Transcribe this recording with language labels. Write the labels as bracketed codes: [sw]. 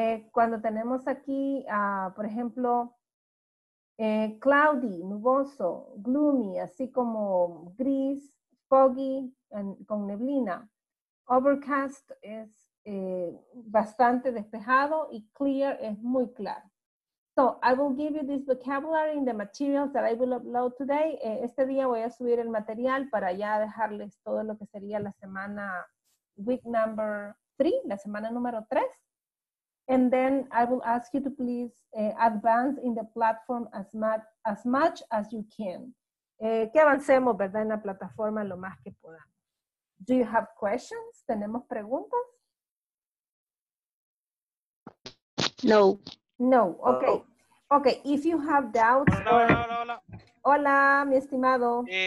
[es] Cuando tenemos aquí, por ejemplo, cloudy, nuboso, gloomy, así como gris, foggy, con neblina. Overcast es bastante despejado y clear es muy claro. [en] So, I will give you this vocabulary in the materials that I will upload today. [es] Este día voy a subir el material para ya dejarles todo lo que sería la semana, [en] week number 3, [es] la semana número 3. [en] And then I will ask you to please advance in the platform as much as you can. [es] Que avancemos, ¿verdad? En la plataforma lo más que podamos. [en] Do you have questions? [es] ¿Tenemos preguntas? [en] No. No, okay. Oh. Okay, if you have doubts. [es] Hola, [en] or... [es] hola. Hola, mi estimado.